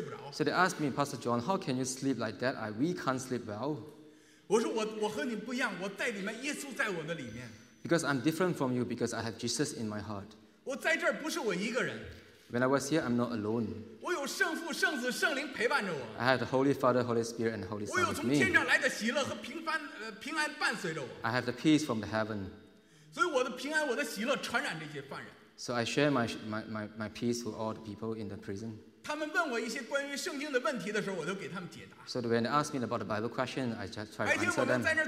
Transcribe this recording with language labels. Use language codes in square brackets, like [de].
[en] so they asked me, Pastor John, how can you sleep like that? We can't sleep well. [zh] 我说我和你不一样, 我在里面, [en] because I'm different from you because I have Jesus in my heart. When I was here, I'm not alone. [zh] 我有圣父, 圣子, 圣灵陪伴着我。 [en] I have the Holy Father, Holy Spirit, and the Holy Son with me. [zh] 我有从天上来的喜乐和平凡, 平安伴随着我。 [en] I have the peace from the heaven. [zh] 所以我的平安, 我的喜乐传染这些犯人。 [en] So I share my peace with all the people in the prison. So when they ask me about the Bible question, I just try to answer them.